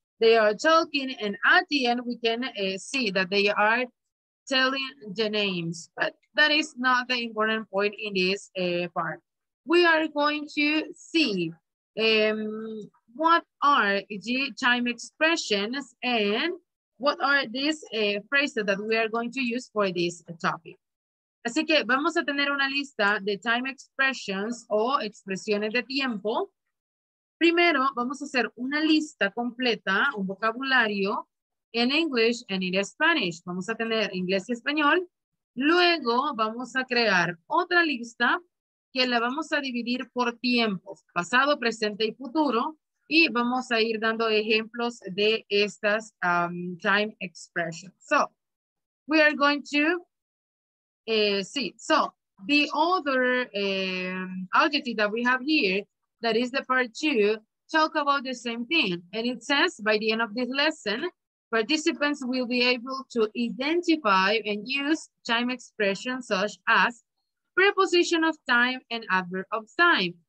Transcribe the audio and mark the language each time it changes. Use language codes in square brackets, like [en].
[en] They are talking, and at the end, we can see that they are telling the names, but that is not the important point in this part. We are going to see what are the time expressions and what are these phrases that we are going to use for this topic. [es] Así que vamos a tener una lista de [en] time expressions [es] o expresiones de tiempo. Primero, vamos a hacer una lista completa, un vocabulario en [en] English and in Spanish. [es] Vamos a tener inglés y español. Luego, vamos a crear otra lista que la vamos a dividir por tiempos, pasado, presente y futuro. Y vamos a ir dando ejemplos de estas [en] time expressions. So, we are going to... So the other adjective that we have here, that is the part two, talk about the same thing. And it says by the end of this lesson, participants will be able to identify and use time expressions such as preposition of time and adverb of time.